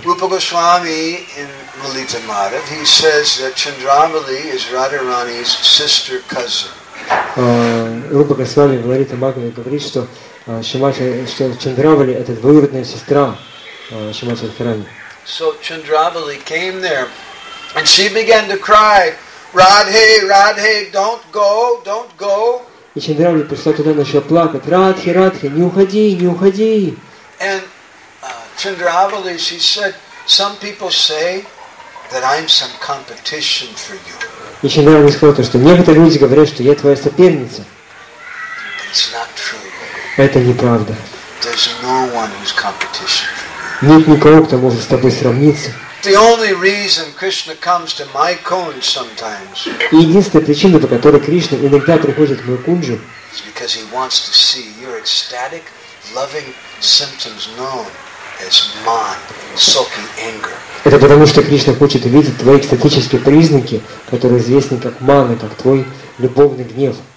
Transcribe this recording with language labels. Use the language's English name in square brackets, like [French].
[English] Rupa Goswami in Lalita Madhav, he says that Chandravali is Radharani's sister cousin. [Russian] Rupa Goswami в Лалита Мадхаве говорит, что Чандравали это двоюродная сестра Шримати Радхарани. [English] So Chandravali came there. And she began to cry, Radhe, Radhe, don't go, don't go. [Russian] И Чандравали пришла туда, начала плакать, Радхи, Радхи, не уходи, не уходи. [English] And Chandravali, she said, some people say that I'm some competition for you. [Russian] И Чандравали сказала, что некоторые люди говорят, что я твоя соперница. [English] It's not true. [Russian] Это неправда. [English] There's no one who's competition for you. [Russian] Нет никого, кто может с тобой сравниться. [English] The only reason Krishna comes to my kunj sometimes. [Russian] Единственная причина, по которой Кришна иногда приходит в мою кунжу, [English] is because he wants to see your ecstatic, loving symptoms known as man, sulky anger. [Russian] Это потому, что Кришна хочет увидеть твои экстатические признаки, которые известны как мана, как твой любовный гнев.